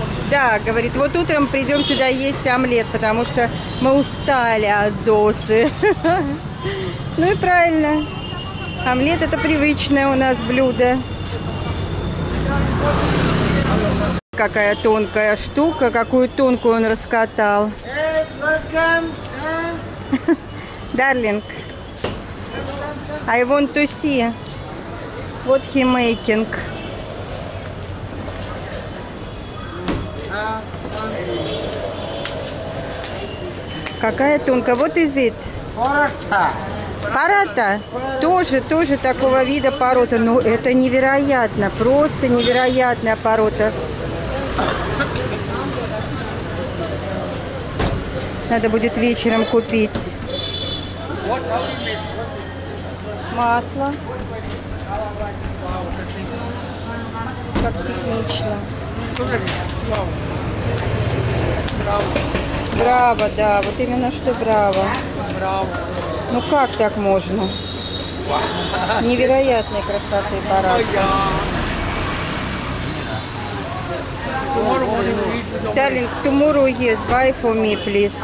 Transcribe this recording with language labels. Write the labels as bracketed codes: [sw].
[ru] Да, говорит, вот утром придем сюда есть омлет, потому что мы устали от досы. Ну и правильно. Омлет это привычное у нас блюдо. Какая тонкая штука, какую тонкую он раскатал. [en] Yes, welcome. Darling, I want to see what he making. [ru] Какая тонкая, вот [en] is it? [ru] Парата. Парата? Тоже такого вида порота, но это невероятно, просто невероятная порота. Надо будет вечером купить масло. Как технично. Браво, да, вот именно что браво. Ну как так можно? Невероятной красоты парад. [en] Darling, tomorrow, yes, buy for me, please.